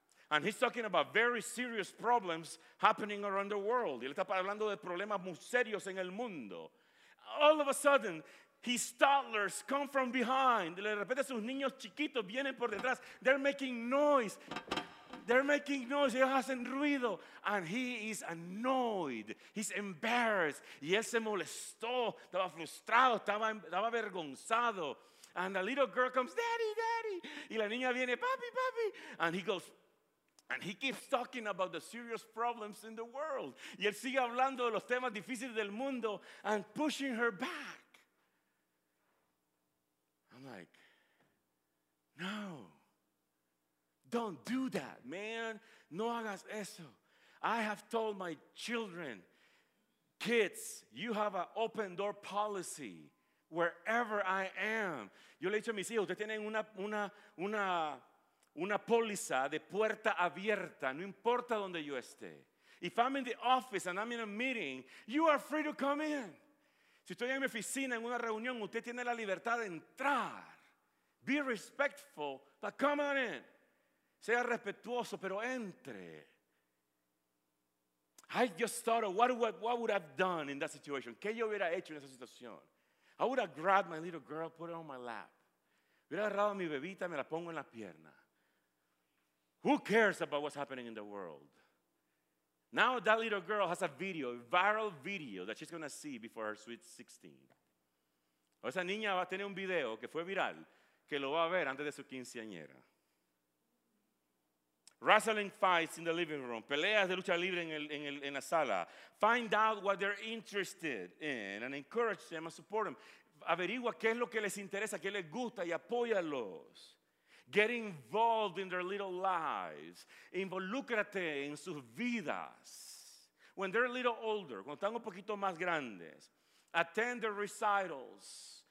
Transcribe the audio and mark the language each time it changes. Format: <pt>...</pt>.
<en>And he's talking about very serious problems happening around the world.</en> <es>Y él está hablando de problemas muy serios en el mundo.</es> <en>All of a sudden, his toddlers come from behind.</en> <es>De repente, sus niños chiquitos vienen por detrás.</es> <en>They're making noise. They're making noise.</en> <es>Ellos hacen ruido.</es> <en>And he is annoyed. He's embarrassed.</en> <es>Y él se molestó. Estaba frustrado. Estaba avergonzado.</es> <en>And the little girl comes, Daddy, Daddy.</en> <es>Y la niña viene, Papi, Papi.</es> <en>And he goes, and he keeps talking about the serious problems in the world.</en> <es>Y él sigue hablando de los temas difíciles del mundo</es> <en>and pushing her back. I'm like, no, don't do that, man.</en> <es>No hagas eso.</es> <en>I have told my children, kids, you have an open door policy wherever I am.</en> <es>Yo le he dicho a mis hijos, ustedes tienen una póliza de puerta abierta, no importa donde yo esté.</es> <en>If I'm in the office and I'm in a meeting, you are free to come in.</en> <es>Si estoy en mi oficina, en una reunión, usted tiene la libertad de entrar.</es> <en>Be respectful, but come on in.</en> <es>Sea respetuoso, pero entre.</es> <en>I just thought of what would I have done in that situation.</en> <es>¿Qué yo hubiera hecho en esa situación?</es> <en>I would have grabbed my little girl, put her on my lap.</en> <es>Hubiera agarrado a mi bebita, me la pongo en la pierna.</es> <en>Who cares about what's happening in the world? Now that little girl has a video, a viral video, that she's going to see before her sweet 16.</en> <es>O esa niña va a tener un video que fue viral, que lo va a ver antes de su quinceañera.</es> <en>Wrestling fights in the living room,</en> <es>peleas de lucha libre en la sala.</es> <en>Find out what they're interested in and encourage them and support them.</en> <es>Averigua qué es lo que les interesa, qué les gusta y apóyalos.</es> <en>Get involved in their little lives.</en> <es>Involúcrate en sus vidas.</es> <en>When they're a little older,</en> <es>cuando están un poquito más grandes,</es> <en>attend their recitals.</en>